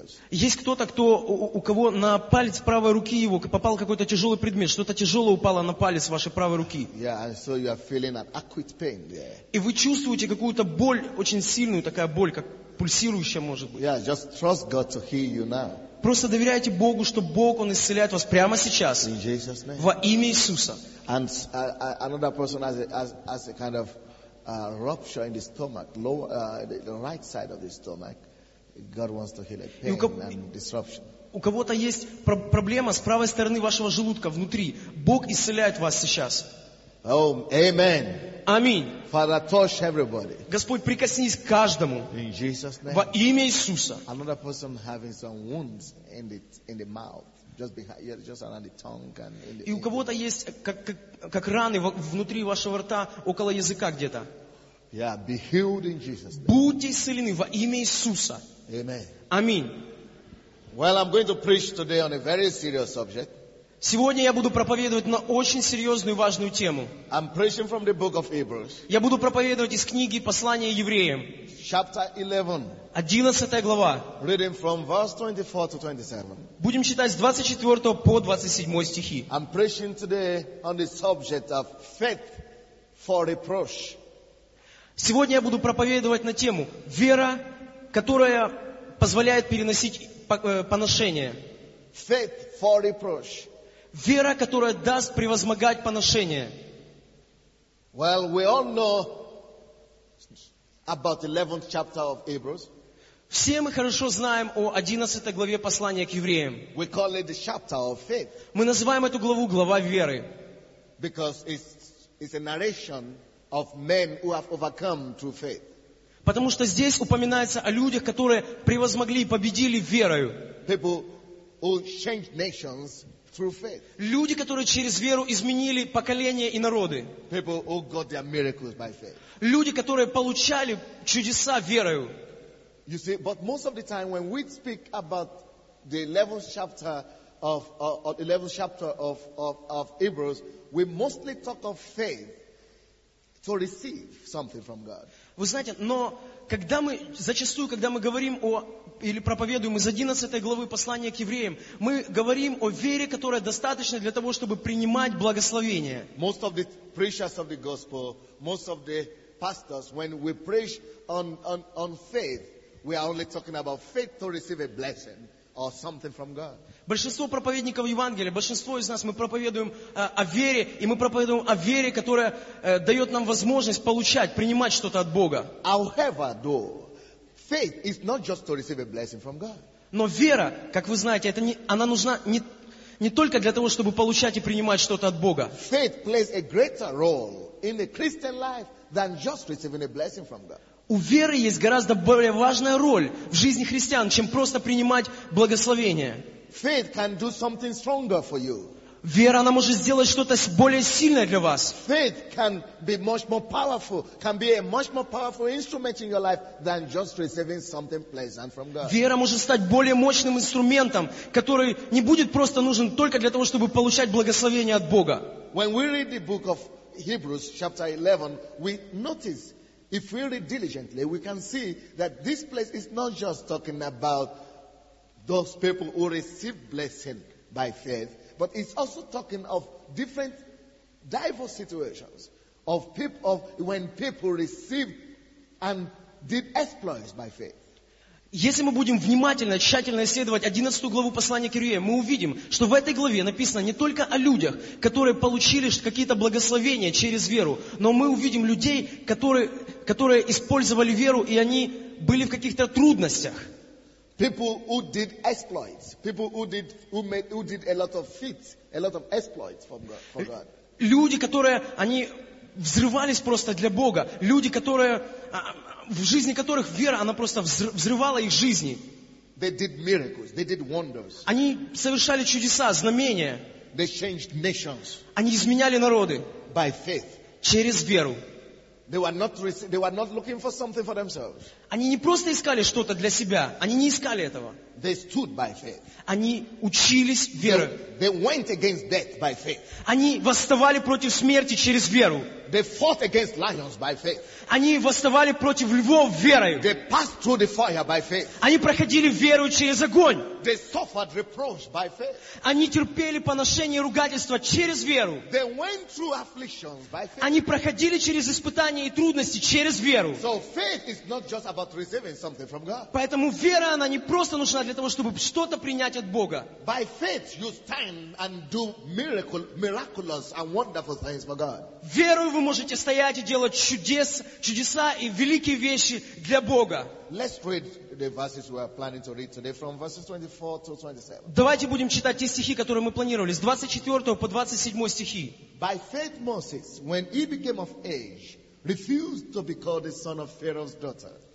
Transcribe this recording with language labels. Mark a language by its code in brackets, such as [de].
[ru] Есть кто-то, кто, у кого на палец правой руки его попал какой-то тяжелый предмет, что-то тяжелое упало на палец вашей правой руки. [en] Yeah, and so you are feeling an acute pain there. [ru] И вы чувствуете какую-то боль, очень сильную такая боль, как пульсирующая может быть. [en] Yeah, just trust God to heal you now. [ru] Просто доверяйте Богу, что Бог, Он исцеляет вас прямо сейчас. [en] In Jesus' name. [ru] Во имя Иисуса. [en] And another person has a kind of rupture in the stomach, lower, the right side of the stomach. God wants to heal it. Pain and disruption. [ru] У кого-то есть проблема с правой стороны вашего желудка внутри. Бог исцеляет вас сейчас. [en] Oh, amen. [ru] Аминь. [en] Father, touch everybody. [ru] Господь, прикоснись к каждому. [en] In Jesus' name. [ru] Во имя Иисуса. [en] Another person having some wounds in the mouth. Just behind, just around the tongue and in the, [ru] и у кого-то есть как раны внутри вашего рта, около языка где-то. [en] Yeah, be healed in Jesus' name. [ru] Будьте исцелены во имя Иисуса. [en] Amen. [ru] Аминь. [en] Well, I'm going to preach today on a very serious subject. [ru] Сегодня я буду проповедовать на очень серьезную и важную тему. [en] I'm preaching from the book of Hebrews. [ru] Я буду проповедовать из книги «Послание евреям». [en] Chapter 11. [ru] 11 глава. [en] Reading from verse 24 to 27. [ru] Будем читать с 24 по 27 стихи. [en] I'm preaching today on the subject of faith for reproach. [ru] Сегодня я буду проповедовать на тему «Вера, которая позволяет переносить поношение». [en] Faith for reproach. [ru] Вера, которая даст превозмогать поношение. [en] Well, we all know about the 11th chapter of Hebrews. [ru] Все мы хорошо знаем о 11 главе послания к евреям. [en] We call it the chapter of faith. [ru] Мы называем эту главу глава веры. [en] Because it's a narration of men who have overcome through faith. [ru] Потому что здесь упоминается о людях, которые превозмогли и победили верою. [en] People who changed nations. [ru] Люди, которые через веру изменили поколения и народы. [en] People who got their miracles by faith. [ru] Люди, которые получали чудеса верою. [en] You see, but most of the time when we speak about the 11th chapter of Hebrews, we mostly talk of faith to receive something from God. [ru] Вы знаете, но когда мы, зачастую, когда мы говорим о, или проповедуем из 11 главы послания к евреям, мы говорим о вере, которая достаточна для того, чтобы принимать благословение. [en] Most of the preachers of the gospel, most of the pastors, when we preach on faith, we are only talking about faith to receive a blessing or something from God. [ru] Большинство проповедников Евангелия, большинство из нас, мы проповедуем о вере, и мы проповедуем о вере, которая дает нам возможность получать, принимать что-то от Бога. [en] However, though, faith is not just to receive a blessing from God. [ru] Но вера, как вы знаете, это не, она нужна не только для того, чтобы получать и принимать что-то от Бога. [en] Faith plays a greater role in the Christian life than just receiving a blessing from God. [ru] У веры есть гораздо более важная роль в жизни христиан, чем просто принимать благословение. [en] Faith can do something stronger for you. [ru] Вера, она может сделать что-то более сильное для вас. [en] Faith can be much more powerful, can be a much more powerful instrument in your life than just receiving something pleasant from God. [ru] Вера может стать более мощным инструментом, который не будет просто нужен только для того, чтобы получать благословение от Бога. [en] When we read the book of Hebrews, chapter 11, we notice, if we read diligently, we can see that this place is not just talking about those people who receive blessing by faith, but it's also talking of different, diverse situations of people, of when people received and did exploits by faith. [ru] Если мы будем внимательно, тщательно исследовать 11 главу послания к Евреям, мы увидим, что в этой главе написано не только о людях, которые получили какие-то благословения через веру, но мы увидим людей, которые использовали веру, и они были в каких-то трудностях. [en] People who did exploits, people who did a lot of feats, a lot of exploits for God. [ru] Люди, которые они взрывались просто для Бога, люди, которые в жизни которых вера она просто взрывала их жизни. [en] They did miracles, they did wonders. [ru] Они совершали чудеса, знамения. [en] They changed nations. [ru] Они изменяли народы. [en] By faith. [ru] Через веру. [en] They were not looking for something for themselves. [ru] Они не просто искали что-то для себя. Они не искали этого. [en] They stood by faith. [ru] Они учились верой. [en] They went against death by faith. [ru] Они восставали против смерти через веру. [en] They fought against lions by faith. [ru] Они восставали против львов верой. [en] They passed through the fire by faith. [ru] Они проходили верою через огонь. [en] They suffered reproach by faith. [ru] Они терпели поношение и ругательство через веру. [en] They went through afflictions by faith. [ru] Они проходили через испытания и трудности через веру. [en] So faith is not just about receiving something from God. [ru] Поэтому вера, она не просто нужна для того, чтобы что-то принять от Бога. [en] By faith you stand and do miraculous and wonderful things for God. [ru] Верою вы можете стоять и делать чудеса и великие вещи для Бога. [en] Let's read the verses we are planning to read today from verses 24 to 27. [ru] Давайте будем читать те стихи, которые мы планировали, с 24 по 27 стихи. [en] By faith Moses, when he became of age, refused to be called the son of Pharaoh's daughter.